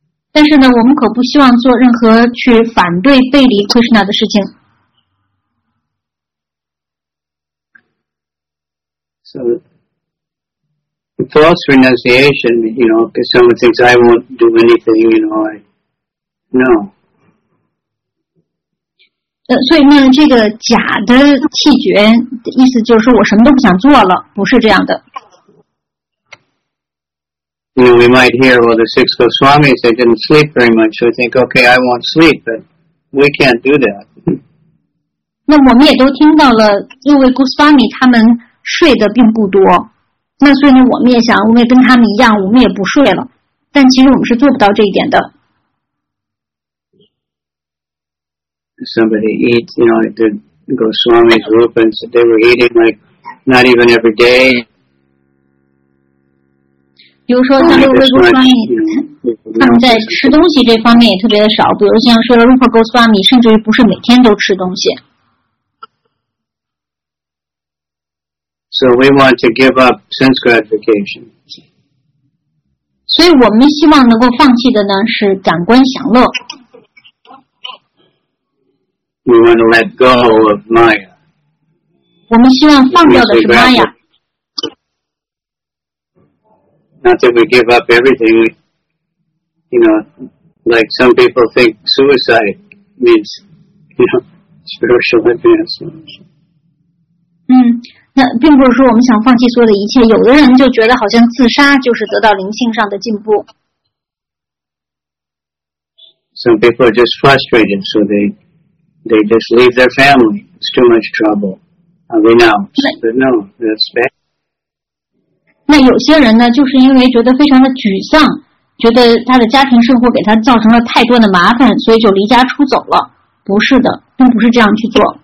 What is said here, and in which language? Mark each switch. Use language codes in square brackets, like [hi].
[zh] 但是呢，我们可不希望做任何去反对、背离 Krishna 的事情。 [en] So. False renunciation, you know, because someone thinks I won't do anything, you know, I, no. [zh] 所以呢，这个假的弃绝的意思就是我什么都不想做了，不是这样的。 [en] You know, we might hear, well, the six Goswamis, they didn't sleep very much, so we think, okay, I won't sleep, but we can't do that. [zh] 那我们也都听到了，因为 Goswami 他们睡的并不多。那所以呢，我们也想，我们也跟他们一样，我们也不睡了。但其实我们是做不到这一点的。 [en] Somebody eats, you know, the Goswami's Rupans, they were eating like not even every day. [zh] 比如说，像六位 Goswami， 他们在吃东西这方面也特别的少。比如像说了 Rupa Goswami， 甚至于不是每天都吃东西。 [en] So we want to give up sense gratification. [zh] 所以我们希望能够放弃的呢是感官享乐。 [en] We want to let go of Maya. [zh] 我们希望放掉的是 Maya. [en] Not that we give up everything. You know, like some people think suicide means, you know, spiritual advancement. [zh] 那并不是说我们想放弃所有的一切，有的人就觉得好像自杀就是得到灵性上的进步。 [en] Some people are just frustrated, so they just leave their family. It's too much trouble. I'll renounce. But no, that's bad. [zh] 那有些人呢，就是因为觉得非常的沮丧，觉得他的家庭生活给他造成了太多的麻烦，所以就离家出走了。不是的，并不是这样去做。